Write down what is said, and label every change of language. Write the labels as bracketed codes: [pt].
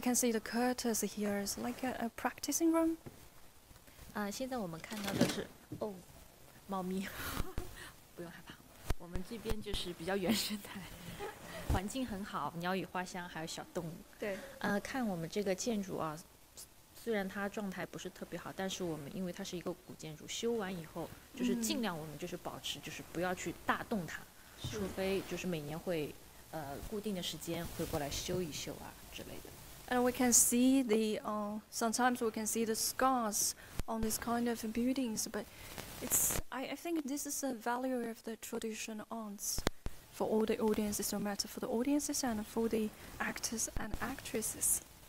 [en] can see the curtains here is like a practicing room. [zh] 现在我们看到的是，哦，猫咪， 不用害怕，我们这边就是比较原生态。环境很好，鸟语花香，还有小动物。对，看我们这个建筑啊，虽然它状态不是特别好，但是我们因为它是一个古建筑，修完以后就是尽量我们就是保持，就是不要去大动它，除非就是每年会固定的时间会过来修一修啊之类的。 [en] And we can see the, sometimes we can see the scars on these kind of buildings, but it's, I think this is the value of the tradition arts for all the audiences, no matter for the audiences and for the actors and actresses.